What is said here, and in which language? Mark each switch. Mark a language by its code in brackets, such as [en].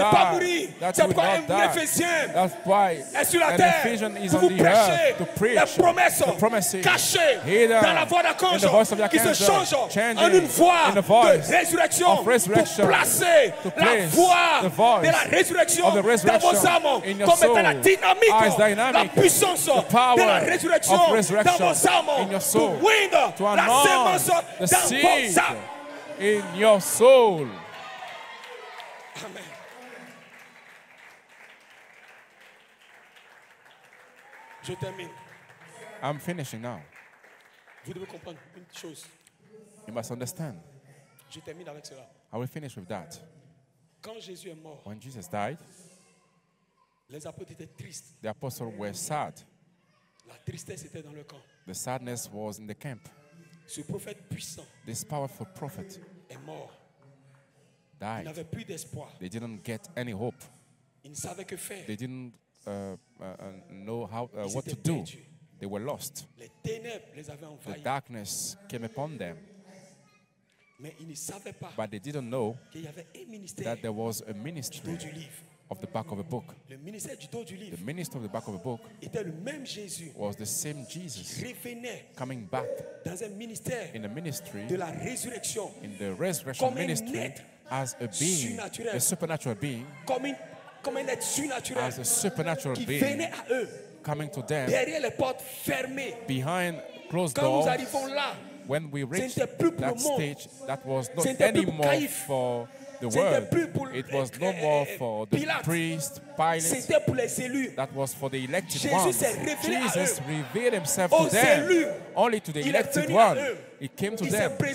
[en] die, [fr] pas mourir c'est pourquoi Ephésiens est sur la terre pour vous prêcher [en] preach, [fr] les promesses cachées dans la voix d'Archange qui [en] angel, [fr] se changent en une voix de résurrection pour placer la [en] the voice [fr] de la [en] of the resurrection in your soul [fr] la dynamique, [en] eyes dynamic [fr] la puissance [en] the power [fr] de la [en] of resurrection in your soul to announce the seed in your soul. Amen. [fr] Je termine. [en] I'm finishing now. [fr] Vous devez comprendre une chose. [en] You must understand. [fr] Je termine avec cela. [en] I will finish with that. [fr] Quand Jésus est mort, [en] when Jesus died, [fr] les apôtres étaient tristes. [en] The apostles were sad. [fr] La tristesse était dans le camp. [en] The sadness was in the camp. [fr] Ce prophète puissant, [en] this powerful prophet, [fr] est mort. [en] Died. [fr] Ils n'avaient plus d'espoir. [en] They didn't get any hope. [fr] Ils ne savaient que faire. [en] They didn't know how what to [fr] perdus [en] do. They were lost. [fr] Les ténèbres les avaient envahis. [en] The darkness came upon them. [fr] Mais ils ne savaient pas [en] but they didn't know [fr] qu'il y avait un ministère [en] that there was a ministry [fr] du dos du livre [en] of the back of a book. [fr] Le ministère du dos du livre [en] the minister of the back of a book [fr] était le même Jésus [en] was the same Jesus [fr] qui revenait [en] coming back [fr] dans un ministère [en] in a ministry [fr] de la résurrection [en] in the resurrection ministry as a being [fr] surnaturel, [en] a supernatural being [fr] comme un être surnaturel [en] as a supernatural [fr] qui [en] being [fr] venait à eux [en] coming to them [fr] derrière les portes fermées [en] behind closed [fr] quand [en] doors [fr] quand nous arrivons là. [en] When we reached that stage, that was not anymore for the world. It was no more for the priest, Pilate. That was for the elected ones. Jesus revealed himself to them, only to the elected one. He came to them.